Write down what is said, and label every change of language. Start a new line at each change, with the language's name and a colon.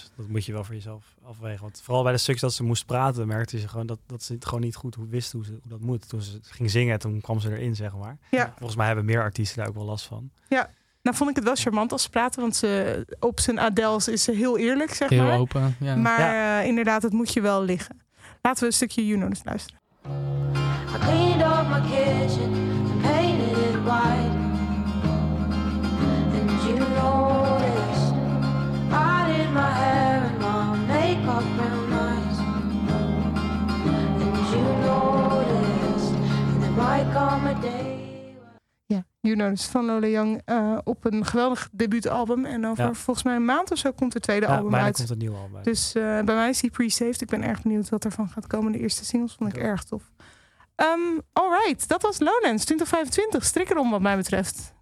Dutch: Precies, dat moet je wel voor jezelf afwegen. Want vooral bij de stukjes dat ze moest praten, merkte ze gewoon dat ze het gewoon niet goed wist hoe dat moet. Toen ze ging zingen, toen kwam ze erin, zeg maar. Ja. Volgens mij hebben meer artiesten daar ook wel last van. Ja, nou vond ik het wel charmant als ze praten, want ze op zijn Adels is ze heel eerlijk, zeg heel maar. Heel open, ja. Maar inderdaad, het moet je wel liggen. Laten we een stukje Juno eens luisteren.
English: I cleaned up my kitchen and painted it white. And you noticed I did my hair and my makeup real nice. And you noticed and there might come a day.
Dutch: You know, dus van Lola Young op een geweldig debuutalbum. En over volgens mij een maand of zo komt het tweede album uit. Komt een nieuw album uit. Dus bij mij is die pre-saved. Ik ben erg benieuwd wat ervan gaat komen. De eerste singles vond ik erg tof. Alright, dat was Lowlands 2025. Strik erom wat mij betreft.